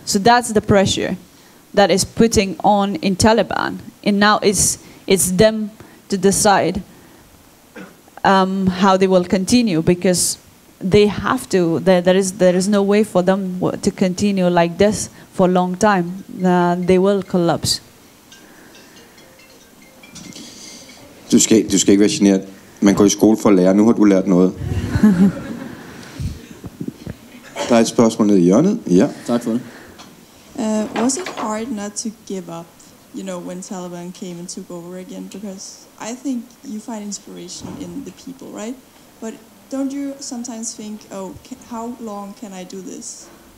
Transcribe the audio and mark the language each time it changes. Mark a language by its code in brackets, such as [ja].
[en] So that's the pressure that is putting on in Taliban, and now it's them to decide how they will continue, because they have to. There is no way for them to continue like this for a long time. They will collapse. [da] Du skal ikke være generet. Man går i skole for at lære. Nu har du lært noget. Der er et spørgsmål nede i hjørnet. Ja. Tak for det. [en] Was it hard not to give up, you know, when Taliban came and took over again? Because I think you find inspiration in the people, right? But don't you sometimes think, how long can I do this?